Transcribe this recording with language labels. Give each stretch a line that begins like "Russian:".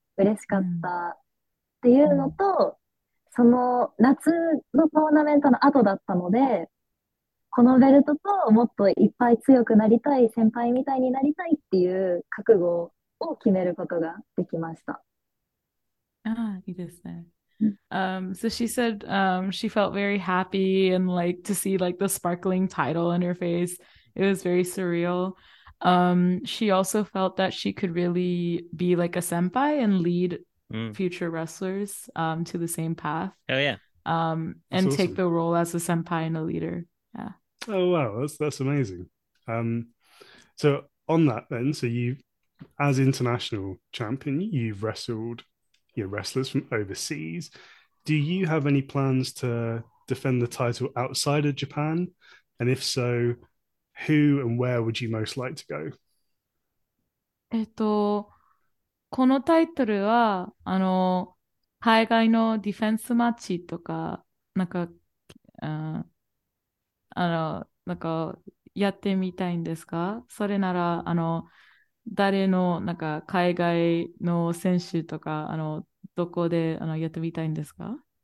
Japanese: 嬉しかったっていうのと、うん、その夏のトーナメントの後だったので、このベルトともっといっぱい強くなりたい、先輩みたいになりたいっていう覚悟を決めることができました。ああ、いいですね。
English: So she said she felt very happy and like to see like the sparkling title on her face. It was very surreal. She also felt that she could really be like a senpai and lead future wrestlers to the same path. Oh yeah. And awesome. Take the role as a senpai and a leader. Yeah. Oh wow, that's amazing. So on that then, so you, as international champion, you've wrestled wrestlers from overseas. Do you have any plans to defend the title outside of Japan? And if so, who and where would you most like to go?
Japanese: このタイトルは、海外のディフェンスマッチとか、なんか、なんかやってみたいんですか？それなら、誰のなんか海外の選手とか、どこでやってみたいんですか？